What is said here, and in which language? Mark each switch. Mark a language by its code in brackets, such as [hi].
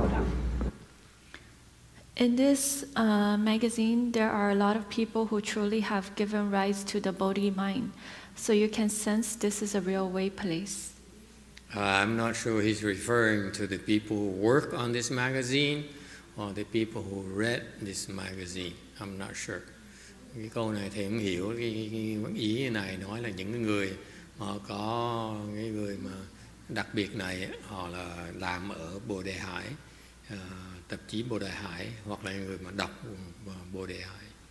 [zh] 有很多真正发菩提心的人，所以啊，才能感应出来有这个真正的道场。 [en] In this magazine, there are a lot of people who truly have given rise to the Bodhi mind. So you can sense this is a real way place. I'm not sure he's referring to the people who work on this magazine or the people who read this magazine. I'm not sure. [vi] Cái câu này thì không hiểu cái ý này nói là những người mà có cái người mà đặc biệt này họ là làm ở Bồ Đề Hải tạp chí Bồ Đề Hải hoặc là người mà đọc Bồ Đề Hải.